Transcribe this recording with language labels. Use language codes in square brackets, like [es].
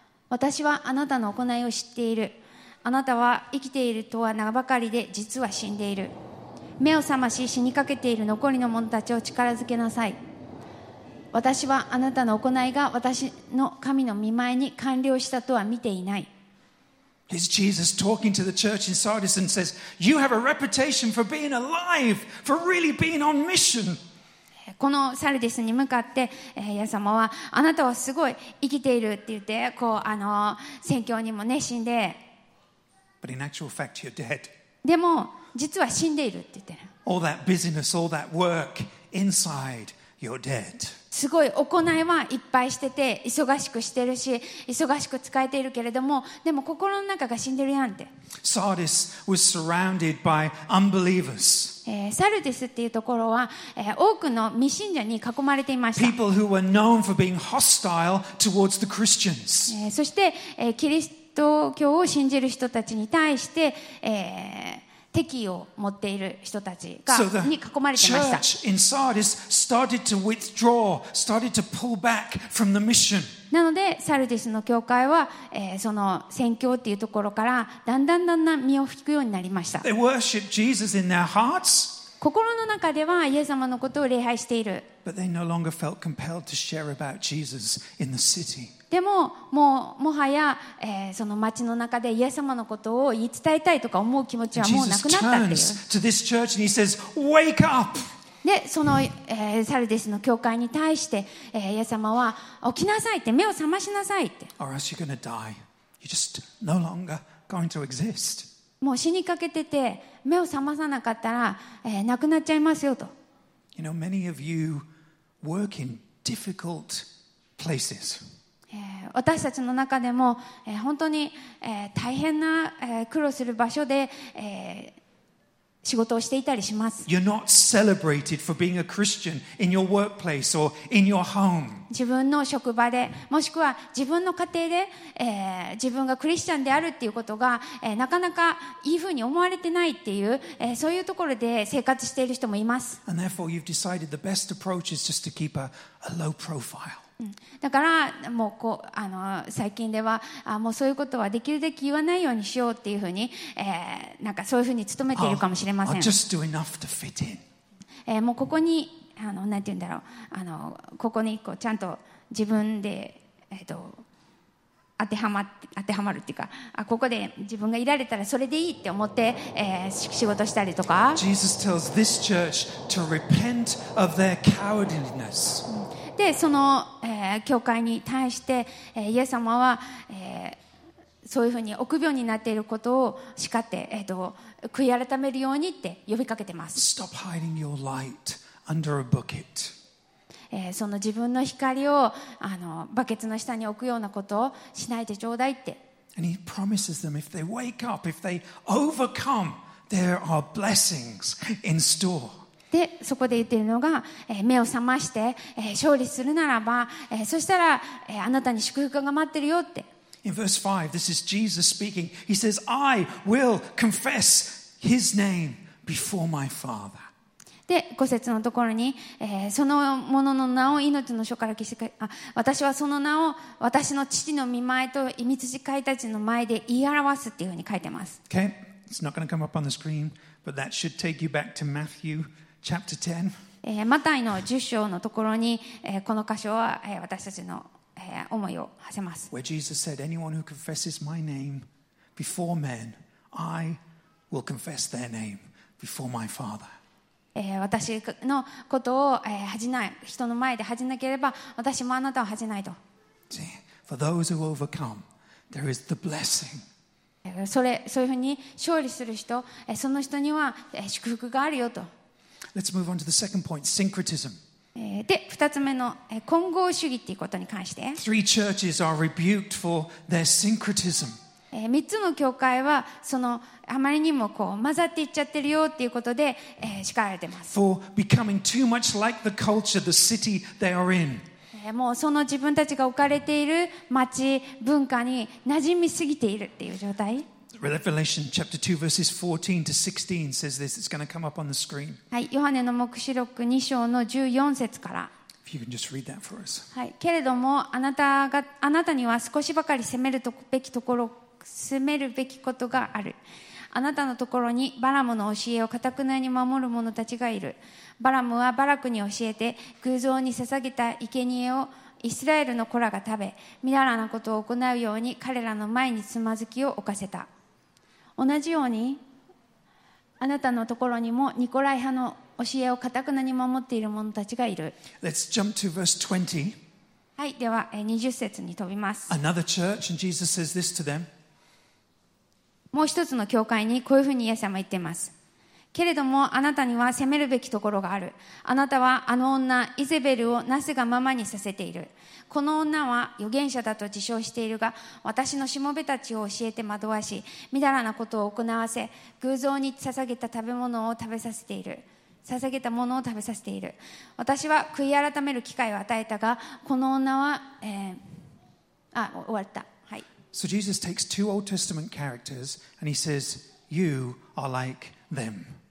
[ja] 私はあなたの行いを知っている。あなたは生きているとは名ばかりで実は死んでいる。目を覚まし死にかけている残りの者たちを力づけなさい。私はあなたの行いが私の神の御前に完了したとは見ていない。 [en] Is Jesus talking to the church in Sardis and says, "You have a reputation for being alive, for really being on mission." [ja] このサルディスに向かって、イエス様は、あなたはすごい生きているって言って、こう宣教にも熱心で。 [en] But in actual fact, you're dead. [ja] でも実は死んでいるって言ってる。 [en] All that busyness, all that work inside, you're dead. [ja] すごい行いはいっぱいしてて忙しくしてるし忙しく使えているけれども、でも心の中が死んでるやんって。 [en] Sardis was surrounded by unbelievers. [ja] サルディスっていうところは、多くの未信者に囲まれていました。 [en] People who were known for being hostile towards the Christians. [ja] そして、キリスト教を信じる人たちに対して、敵意を持っている人たちがに囲まれていました。 [en] Church in Sardis started to withdraw, started to pull back from the mission. [ja] なのでサルディスの教会は、その宣教というところからだんだん身を引くようになりました。 [en] They worship Jesus in their hearts. [ja] 心の中ではイエス様のことを礼拝している。 [en] But they no longer felt compelled to share about Jesus in the city. [ja] でも、もうもはや、その町の中でイエス様のことを言い伝えたいとか思う気持ちはもうなくなったっていう。 [en] Jesus turns to this church and he says, "Wake up!" [ja] で、その、サルディスの教会に対して、イエス様は起きなさいって、目を覚ましなさいって。 [en] Or else you're gonna die. You're just no longer going to exist. [ja] もう死にかけてて目を覚まさなかったら、亡くなっちゃいますよと。 [en] You know, many of you work in difficult places. [ja] 私たちの中でも本当に大変な苦労する場所で仕事をしていたりします。 [en] You're not celebrated for being a Christian in your workplace or in your home. [ja] 自分の職場で、もしくは自分の家庭で、自分がクリスチャンであるっていうことが、なかなかいいふうに思われてないっていう、そういうところで生活している人もいます。 [en] And therefore, you've decided the best approach is just to keep a low profile. [ja] だからもうこう最近ではもうそういうことはできるだけ言わないようにしようっていうふうに、なんかそういうふうに努めているかもしれません。 [en] I'll just do enough to fit in. [ja] もうここに何て言うんだろうここにこうちゃんと自分で、当てはまるっていうかここで自分がいられたらそれでいいって思って、仕事したりとか。 [en] Jesus tells this church to repent of their cowardliness. [ja] でその、教会に対して、イエス様は、そういうふうに臆病になっていることを叱って、悔い改めるようにって呼びかけてます。 [en] Stop hiding your light under a bucket. [ja] その自分の光をバケツの下に置くようなことをしないでちょうだいって。 [en] And he promises them if they wake up, if they overcome, there are blessings in store. [ja] でそこで言っているのが、目を覚まして、勝利するならば、そしたら、あなたに祝福が待ってるよって。 [en] In verse 5, this is Jesus speaking. He says, I will confess his name before my Father. [ja] で、5節のところに、その者の名を命の書から消してか、あ、私はその名を私の父の御前と御使いたちの前で言い表すっていうふうに書いてます。 [en] Okay, it's not going to come up on the screen, but that should take you back to Matthew. Chapter 10. [ja] マタイの10章のところに、この箇所は、私たちの、思いを馳せます。 [en] Where Jesus said, "Anyone who confesses my name before men, I will confess their name before my Father." [ja] 私のことを、恥じない人の前で恥じなければ、私もあなたを恥じないと。 [en] See, for those who overcome, there is the blessing. [ja] そういうふうに勝利する人、その人には、祝福があるよと。 [en] Let's move on to the second point, syncretism. [ja] で、二つ目の、混合主義っていうことに関して。 [en] Three churches are rebuked for their syncretism. [ja] 三つの教会はそのあまりにもこう混ざっていっちゃってるよっていうことで、叱られてます。 [en] For becoming too much like the culture, the city they are in. [ja] もうその自分たちが置かれている町文化に馴染みすぎているっていう状態。 [en] Revelation chapter 2 verses 14 to 16 says this. It's going to come up on the screen. [ja] はい、ヨハネの黙示録2章の14節から。 [en] If you can just read that for us. [ja] はい、けれどもあなたには少しばかり責めるべきことがある。あなたのところにバラムの教えを堅くなに守る者たちがいる。バラムはバラクに教えて偶像に捧げた生贄をイスラエルの子らが食べ、みだらなことを行うように彼らの前につまずきを置かせた。同じようにあなたのところにもニコライ派の教えを堅くなに守っている者たちがいる。 [en] Let's jump to verse 20. [ja] はい、では20節に飛びます。 [en] Another church, and Jesus says this to them. [ja] もう一つの教会にこういうふうにイエス様言っています。けれどもあなたには責めるべきところがある。あなたはあの女イゼベルをなすがままにさせている。この女は預言者だと自称しているが、私のしもべたちを教えて惑わし、みだらなことを行わせ、偶像に捧げた食べ物を食べさせている。捧げたものを食べさせている。私は悔い改める機会を与えたが、この女は、終わった。はい。 [en] So Jesus takes two Old Testament characters and he says, you are like them.